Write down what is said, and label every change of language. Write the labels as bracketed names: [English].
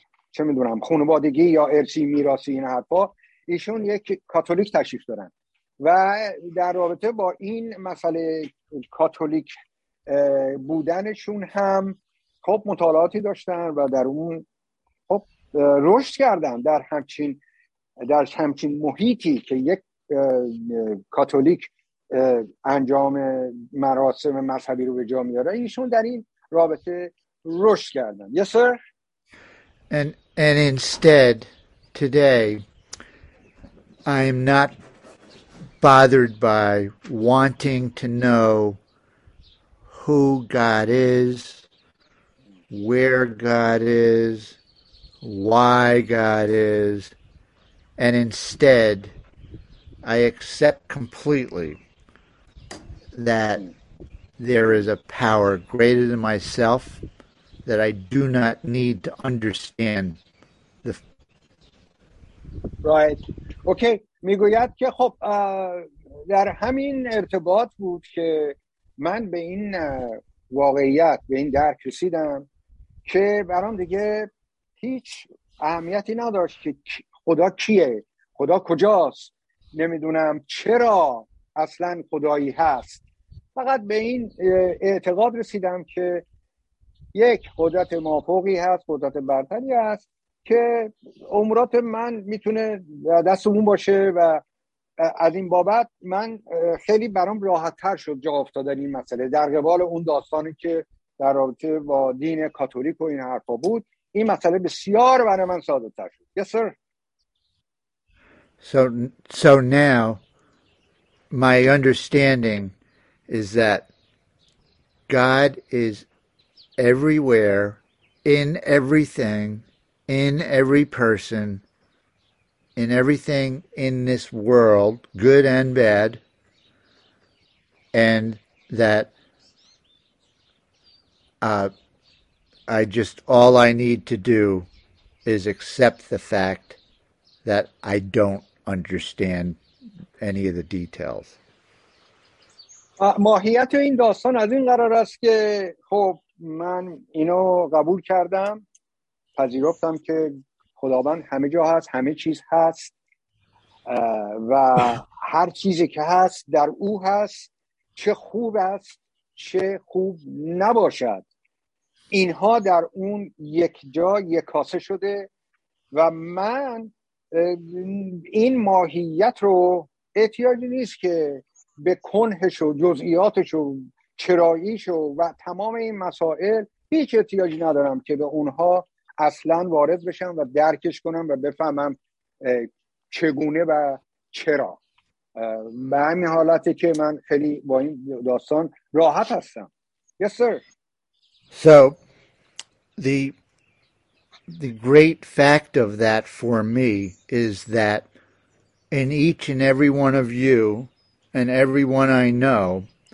[Persian] چه میدونم خانوادگی یا ارثی میراثی این حرفا، ایشون یک کاتولیک تشریف دارن و در رابطه با این مسئله کاتولیک بودنشون هم خب مطالعاتی داشتن و در اون خب رشد کردن در همچین محیطی که یک کاتولیک انجام مراسم مذهبی رو به جا میاره، ایشون در این رابطه رشد کردن. [English] Yes, sir. And instead today I am not bothered by wanting to know who God is, where God is, why God is, and instead I accept completely that there is a power greater than myself that I do not need to understand. Right. Okay. [Persian] میگوید که خب در همین ارتباط بود که من به این واقعیت، به این درک رسیدم که برام دیگه هیچ اهمیتی نداشت که خدا کیه، خدا کجاست، نمیدونم چرا اصلا خدایی هست. فقط به این اعتقاد رسیدم که یک قدرت مافوقی هست، قدرت برتری هست که عمرات من میتونه دست اون باشه و از این بابت من خیلی برام راحت تر شد جا افتادن این مسئله در قبال اون داستانی که در رابطه با دین کاتولیک و این حرفا بود. این مسئله بسیار برای من ساده تر شد. [English] Yes, sir. So now my understanding is that God is everywhere, in everything, in every person, in everything in this world, good and bad, and that all I need to do is accept the fact that I don't understand any of the details. [Persian] ماهیت این داستان از این قرار است که خب من اینو قبول کردم، پذیرفتم که خداوند همه جا هست، همه چیز هست و هر چیزی که هست در او هست، چه خوب است چه خوب نباشد، اینها در اون یک جا یک کاسه شده و من این ماهیت رو احتیاجی نیست که به کنهش و جزئیاتش و چراییش و تمام این مسائل هیچ احتیاجی ندارم که به اونها اصلا وارد بشم و درکش کنم و بفهمم چگونه و چرا. به همین حالته که من خیلی با این داستان راحت هستم. [English] Yes, sir. So the great fact of that for me is that in each and every one of you and everyone I know,